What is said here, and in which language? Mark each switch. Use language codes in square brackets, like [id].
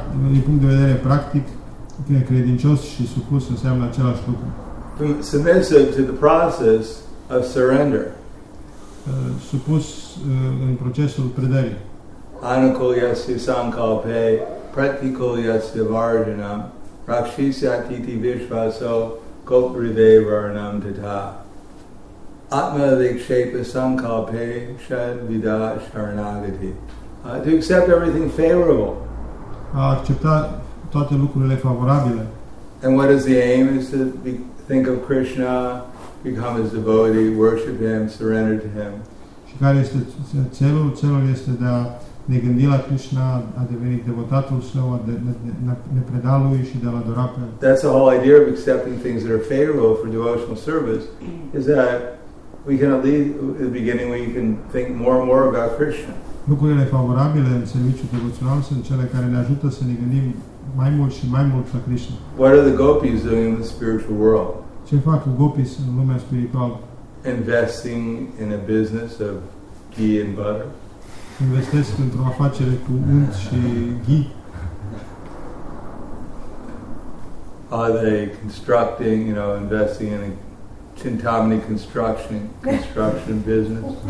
[ro] Din punct de vedere practic, credincios și supus înseamnă același lucru. [en] Submissive to the process of surrender. [ro] Supus în procesul predării. [sa] Anukul yasya sankalpe, pratikul yasya varjanam, rakshisya titi vishvaso, gopriva varanam tata. Atma dikshepa sankalpe, shad vidha sharanagati. [en] To accept everything favorable. [ro] A accepta toate lucrurile favorabile. [en] And what is the aim? Is to think of Krishna, become his devotee, worship him, surrender to him. [ro] Și care este celul? Celul este de a ne gândi la Krishna, a devenit devotatul său, a ne preda lui și de a adora pe. [en] That's the whole idea of accepting things that are favorable for devotional service, is that we can at least, at the beginning, we can think more and more about Krishna. [ro] Lucrurile favorabile în serviciul devoțional sunt cele care ne ajută să ne gândim mai mult și mai mult la Krishna. [en] What are the gopis doing in the spiritual world? [ro] Ce fac gopis în lumea spirituală? [en] Investing in a business of ghee and butter. [ro] Investesc într-o afacere cu unt și ghee. [en] Are they constructing, you know, investing in a Chintamani construction business?